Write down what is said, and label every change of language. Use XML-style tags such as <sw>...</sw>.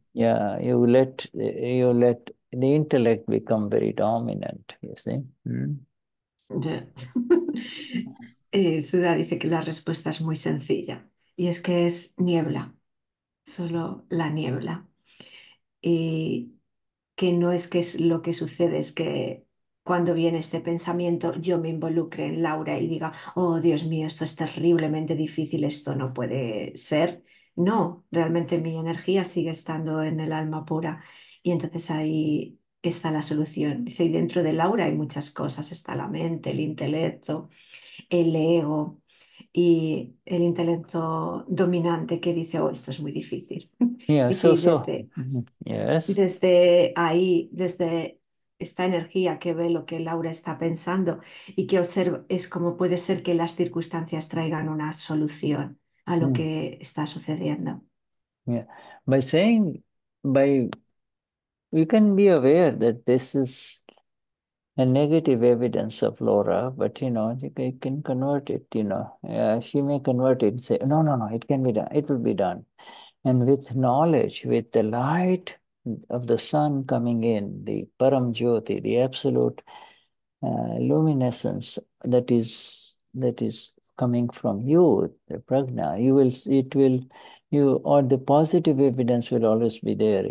<en>yeah, you let the intellect become very dominant, you see. Yeah.</en> <es>Suda dice que la respuesta es muy sencilla y es que es niebla, solo la niebla. Y que no es que es lo que sucede es que cuando viene este pensamiento yo me involucre en Laura y diga, oh Dios mío, esto es terriblemente difícil, esto no puede ser. No, realmente mi energía sigue estando en el alma pura y entonces ahí está la solución. Dice, y dentro de Laura hay muchas cosas, está la mente, el intelecto, el ego y el intelecto dominante que dice, oh, esto es muy difícil.</es> <en>Yeah,</en> <es>Dice, y</es> <en>yes.</en> <es>desde ahí, desde esta energía que ve lo que Laura está pensando y que observa, es como puede ser que las circunstancias traigan una solución a lo que está sucediendo.</es> <en>Yeah. By saying, by you can be aware that this is a negative evidence of Laura, but you know, you can convert it, you know. She may convert it and say, no, it can be done, it will be done. And with knowledge, with the light of the sun coming in, the param jyoti, the absolute luminescence that is coming from you, the pragna, you will it will you or the positive evidence will always be there.</en>